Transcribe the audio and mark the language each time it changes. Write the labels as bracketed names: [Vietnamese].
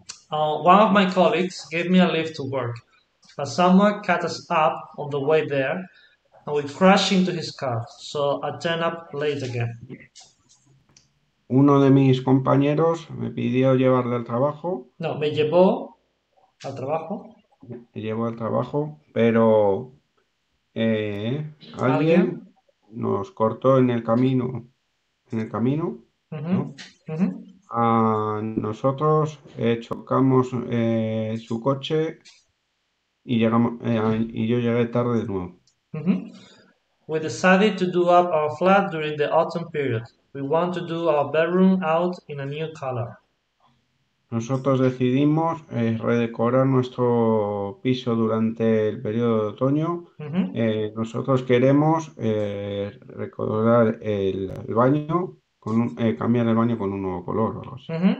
[English] One of my colleagues gave me a lift to work, but someone cut us up on the way there, and we crashed into his car, so I turned up late again. [Spanish] Uno de mis compañeros me pidió llevarle al trabajo. No, me llevó al trabajo. Me llevó al trabajo, pero ¿Alguien? alguien nos cortó en el camino, ¿no? A nosotros chocamos su coche y llegamos y yo llegué tarde de nuevo. [English] We decided to do up our flat during the autumn period. We want to do our bedroom out in a new color. [Spanish] Nosotros decidimos redecorar nuestro piso durante el periodo de otoño. Nosotros queremos recolorar el baño, cambiar el baño con un nuevo color o algo así.